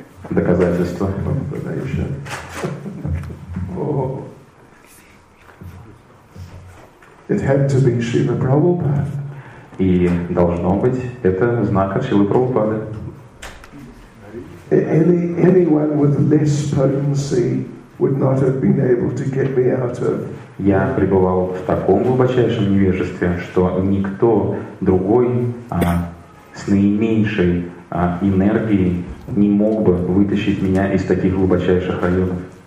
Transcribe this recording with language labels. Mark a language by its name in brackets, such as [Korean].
[Russian] Доказательство. [English] Confirmation. Oh. It had to be Srila Prabhupada. [Russian] И должно быть, это знак от Шрилы Прабхупады. [English] Anyone with less potency would not have been able to get me out of. [Russian] Я пребывал в таком глубочайшем невежестве, что никто другой с наименьшей энергией не мог бы вытащить меня из таких глубочайших районов.